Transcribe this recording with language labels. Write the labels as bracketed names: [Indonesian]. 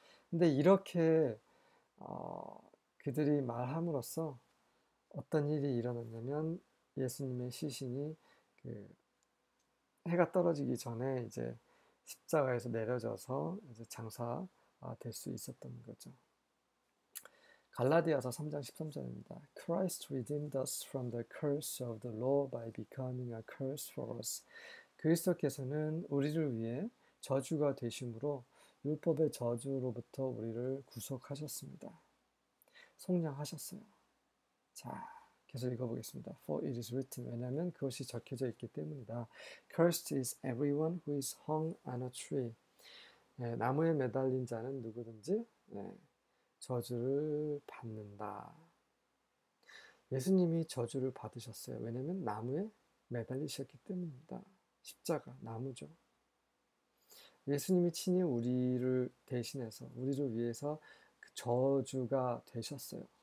[Korean] 근데 이렇게 그들이 말함으로써 어떤 일이 일어났냐면 예수님의 시신이 해가 떨어지기 전에 이제 십자가에서 내려져서 이제 장사가 될수 있었던 거죠. 갈라디아서 3장 13절입니다. [English] Christ redeemed us from the curse of the law by becoming a curse for us. [Korean] 그리스도께서는 우리를 위해 저주가 되심으로 율법의 저주로부터 우리를 구속하셨습니다. 속량하셨어요. 자, 계속 읽어보겠습니다. [English] For it is written, [Korean] 왜냐하면 그것이 적혀져 있기 때문이다. [English] Cursed is everyone who is hung on a tree. [Korean] 네, 나무에 매달린 자는 누구든지 저주를 받는다. 예수님이 저주를 받으셨어요. 왜냐하면 나무에 매달리셨기 때문입니다. 십자가, 나무죠. 예수님이 친히 우리를 대신해서, 우리를 위해서 그 저주가 되셨어요.